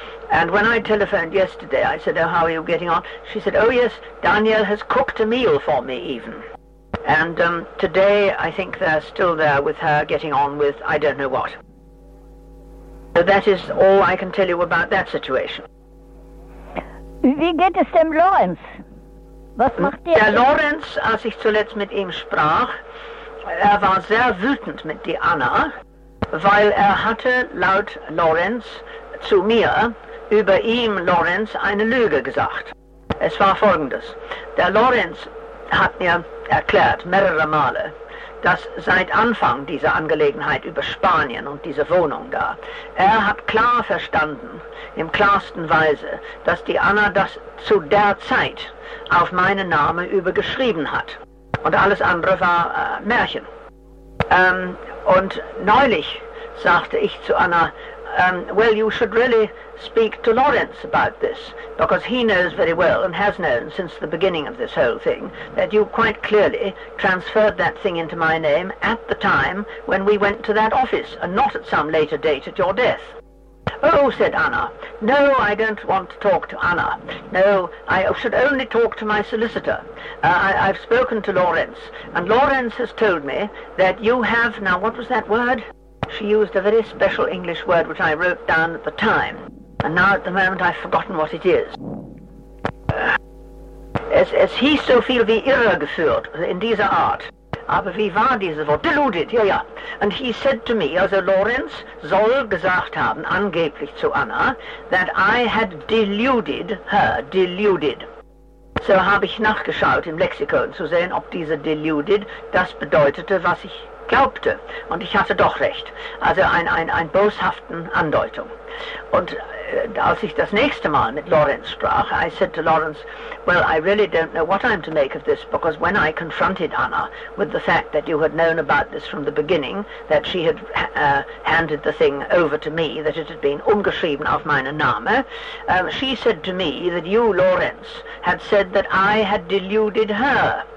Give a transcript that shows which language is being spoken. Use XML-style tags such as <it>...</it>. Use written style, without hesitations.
<en>And when I telephoned yesterday, I said, oh, how are you getting on? She said, oh, yes, Danielle has cooked a meal for me, even. And today, I think they're still there with her getting on with I don't know what. So that is all I can tell you about that situation.</en> <de>Wie geht es dem Lorenz? Was macht der? Der Lorenz, als ich zuletzt mit ihm sprach, er war sehr wütend mit die Anna, weil er hatte laut Lorenz zu mir über ihm, Lorenz, eine Lüge gesagt. Es war folgendes. Der Lorenz hat mir erklärt, mehrere Male, dass seit Anfang dieser Angelegenheit über Spanien und diese Wohnung da, er hat klar verstanden, im klarsten Weise, dass die Anna das zu der Zeit auf meinen Namen übergeschrieben hat. Und alles andere war Märchen. Und neulich sagte ich zu Anna,</de> <en>well, you should really speak to Lawrence about this, because he knows very well and has known since the beginning of this whole thing that you quite clearly transferred that thing into my name at the time when we went to that office and not at some later date at your death. Oh, said Anna, no, I don't want to talk to Anna. No, I should only talk to my solicitor. I've spoken to Lawrence, and Lawrence has told me that you have, now what was that word? She used a very special English word which I wrote down at the time, and now at the moment I've forgotten what it is.</en> <de>Es hieß so viel wie irregeführt, in dieser Art. Aber wie war dieses Wort? Deluded, ja, ja.</de> <en>And he said to me,</en> <de>also Lorenz soll gesagt haben, angeblich zu Anna,</de> <en>that I had deluded her, deluded.</en> <de>So habe ich nachgeschaut im Lexikon zu sehen, ob diese deluded das bedeutete, was ich glaubte. Und ich hatte doch recht. Also ein boshaften Andeutung. Und als ich das nächste Mal mit Lorenz sprach,</de> <en>I said to Lorenz, well, I really don't know what I'm to make of this, because when I confronted Anna with the fact that you had known about this from the beginning, that she had handed the thing over to me, that it had been</en> <de>umgeschrieben auf meinen Namen,</de> <en>she said to me that you, Lorenz, had said that I had deluded her.</en>